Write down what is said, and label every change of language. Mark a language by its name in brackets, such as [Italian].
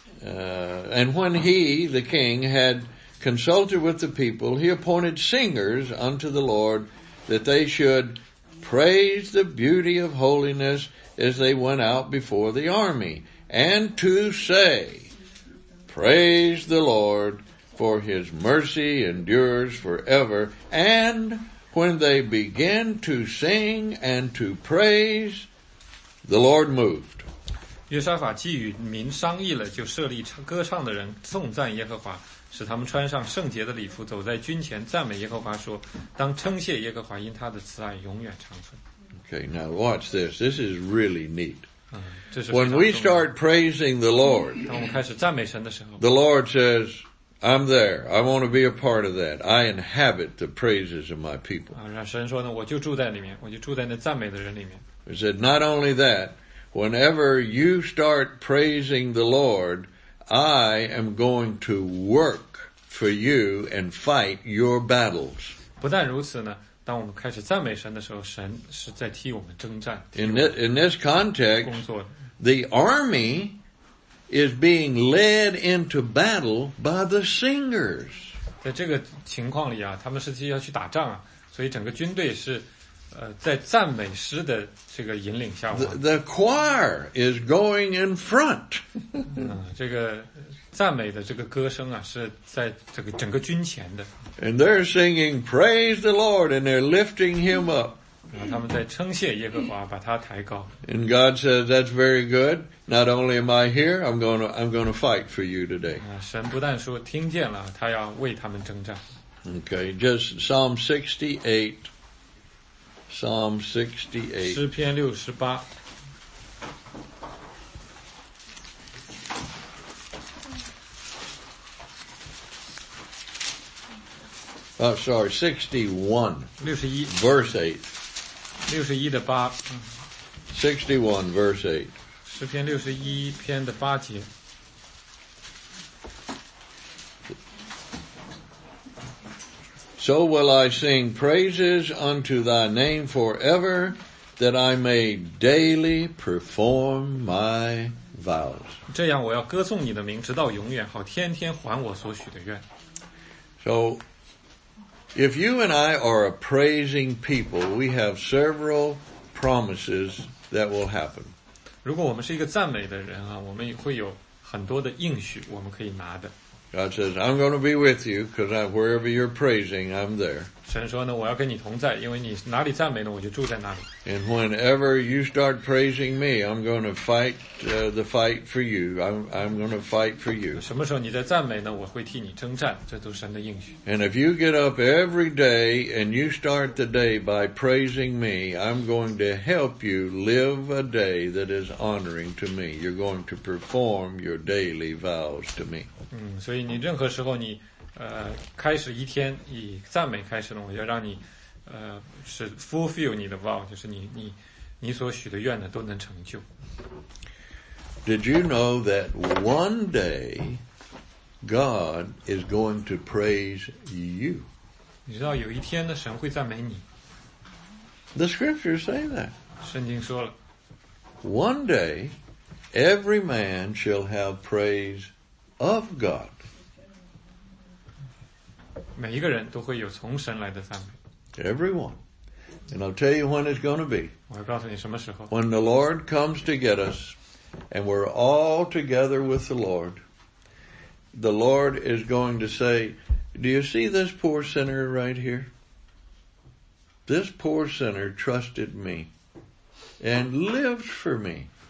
[English] And when he, the king, had consulted with the people, he appointed singers unto the Lord that they should praise the beauty of holiness as they went out before the army, and to say, praise the Lord, for his mercy endures forever, and when they began to sing and to praise, the Lord moved. [Chinese] 约沙法既与民商议了，就设立歌唱的人颂赞耶和华，使他们穿上圣洁的礼服，走在军前赞美耶和华，说：“当称谢耶和华，因他的慈爱永远长存。” [English] Okay, now watch this. This is really neat. [Chinese] 这是 [English] When we start praising the Lord, [Chinese] 当我们开始赞美神的时候 [English] the Lord says, "I'm there. I want to be a part of that. I inhabit the praises of my people." [Chinese] 让神说呢，我就住在里面，我就住在那赞美的人里面。 [English] He said, "Not only that, whenever you start praising the Lord." I am going to work for you and fight your battles. [Chinese] 不但如此呢，当我们开始赞美神的时候，神是在替我们征战。 [English] In this context, the army is being led into battle by the singers. [Chinese] 在这个情况里啊，他们实际要去打仗啊，所以整个军队是在赞美诗的这个引领下 [English] the choir is going in front [Chinese] 这个赞美的这个歌声啊是在这个整个军前的 [English] and they're singing praise the Lord and they're lifting him up [Chinese] 他们在称谢耶和华把他抬高 [English] and God says that's very good not only am I here I'm going to fight for you today [Chinese] 神不但说听见了他要为他们征战 [English] okay just Psalm 68. [Chinese] 诗篇六十八。 [English] 61. [Chinese] 六十一。 [English] Verse 8. [Chinese] 六十一的八。 [English] 61:8. [Chinese] 诗篇六十一篇的八节。 [English] So will I sing praises unto thy name forever, that I may daily perform my vows. [Chinese] 这样我要歌颂你的名直到永远，好天天还我所许的愿。 [English] So, if you and I are a praising people, we have several promises that will happen. [Chinese] 如果我们是一个赞美的人啊，我们会有很多的应许我们可以拿的。 [English] God says, I'm going to be with you because wherever you're praising, I'm there. [Chinese] 神说呢，我要跟你同在，因为你哪里赞美呢，我就住在哪里。 [English] And whenever you start praising me, I'm going to fight the fight for you. I'm going to fight for you. [Chinese] 什么时候你在赞美呢，我会替你征战，这都是神的应许。 [English] And if you get up every day and you start the day by praising me, I'm going to help you live a day that is honoring to me. You're going to perform your daily vows to me. [Chinese] 所以你任何时候你开始一天以赞美开始呢，我要让你是 fulfill 你的 vow， 就是你所许的愿呢都能成就。 [English] Did you know that one day God is going to praise you？ [Chinese] 你知道有一天呢，神会赞美你。 [English] The scriptures say that。 [Chinese] 圣经说了 [English] ，One day every man shall have praise of God。 [Chinese] 每一个人都会有从神来的赞美。 [English] Everyone. And I'll tell you when it's going to be. [Chinese] 我要告诉你什么时候。 [English] When the Lord comes to get us, and we're all together with the Lord is going to say, do you see this poor sinner right here? This poor sinner trusted me and lived for me.